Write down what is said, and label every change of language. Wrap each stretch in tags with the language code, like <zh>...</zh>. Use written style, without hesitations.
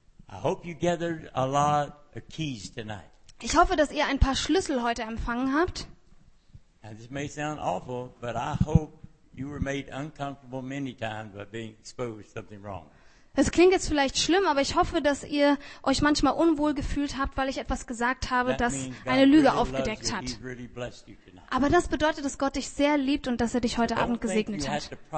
<en>I hope you gathered a lot of keys tonight.</en> <de>Ich hoffe, dass ihr ein paar Schlüssel heute empfangen habt.</de> <en>And this may sound awful, but I hope you were made uncomfortable many times by being exposed to something wrong.</en> <de>Es klingt jetzt vielleicht schlimm, aber ich hoffe, dass ihr euch manchmal unwohl gefühlt habt, weil ich etwas gesagt habe, das eine Lüge aufgedeckt hat. Aber das bedeutet, dass Gott dich sehr liebt und dass er dich heute Abend gesegnet hat.</de>